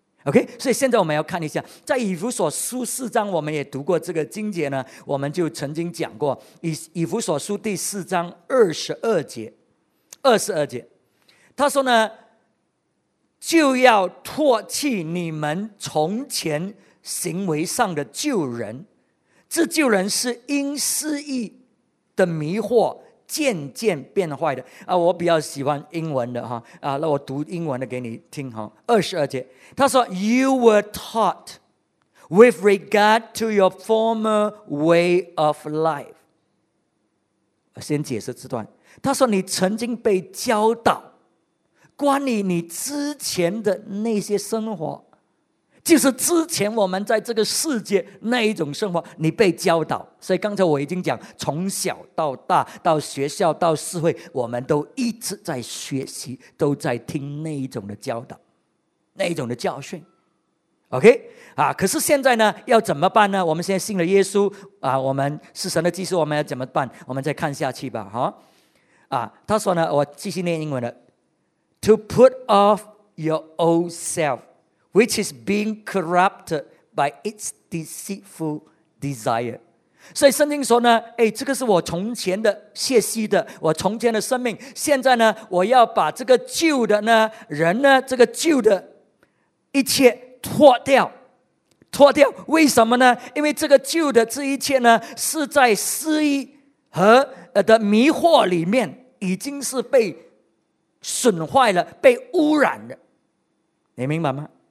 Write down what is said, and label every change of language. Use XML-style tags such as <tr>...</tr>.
<zh>OK， 所以现在我们要看一下，在以弗所书四章，我们也读过这个经节呢，我们就曾经讲过 以弗所书第四章二十二节，他说呢，就要脱弃你们从前行为上的旧人，这旧人是因私意的迷惑渐渐变坏的啊。我比较喜欢英文的哈啊，那我读英文的给你听哈。 22节，他说</zh> <en>：“You were taught with regard to your former way of life。”</en> <zh>我先解释这段。他说：“你曾经被教导。” 关于你之前的那些生活，就是之前我们在这个世界那一种生活，你被教导。所以刚才我已经讲，从小到大，到学校，到社会，我们都一直在学习，都在听那一种的教导，那一种的教训。 OK 啊，可是现在呢，要怎么办呢？我们现在信了耶稣啊，我们是神的祭司，我们要怎么办？我们再看下去吧，哈啊。他说呢，我继续念英文的。</zh> <en>To put off your old self, which is being corrupted by its deceitful desire.</en> <zh>所以圣经说呢，哎，这个是我从前的血气的，我从前的生命。现在呢，我要把这个旧的呢人呢，这个旧的一切脱掉，脱掉。为什么呢？因为这个旧的这一切呢，是在私欲和的迷惑里面，已经是被损坏了，被污染了，你明白吗？</zh>